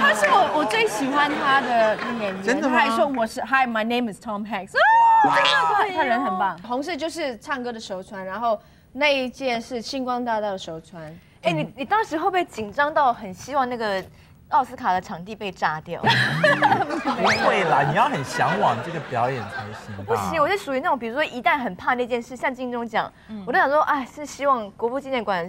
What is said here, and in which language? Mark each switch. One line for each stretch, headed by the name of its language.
Chinese: 他是我最喜欢他的演员。真的吗？他还说我是
English: Hi， my name is Tom Hanks。
Chinese: 哇，他人很棒。红色就是唱歌的时候穿，然后那一件是星光大道的时候穿。你当时会不会紧张到很希望那个？奥斯卡的场地被炸掉，不会啦，你要很向往这个表演才行。不行，我是属于那种，比如说一旦很怕那件事，像金钟奖，我都想说，哎，是希望国父纪念馆